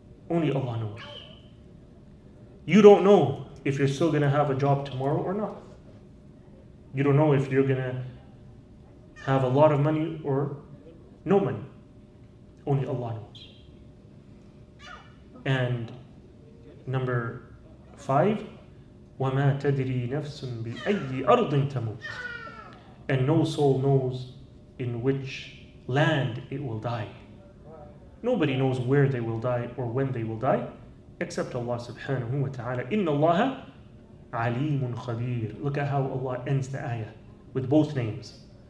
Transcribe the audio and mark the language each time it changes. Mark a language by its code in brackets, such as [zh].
[en] Only Allah knows. You don't know if you're still going to have a job tomorrow or not. You don't know if you're going to have a lot of money or no money. Only Allah knows. And number five, [ar] وَمَا تَدْرِي نَفْسٌ بِأَيِّ أَرْضٍ تَمُوتٍ. [en] And no soul knows in which land it will die. Nobody knows where they will die or when they will die, except Allah subhanahu wa ta'ala. [ar] إِنَّ اللَّهَ عَلِيمٌ خَبِيرٌ. [en] Look at how Allah ends the ayah with both names.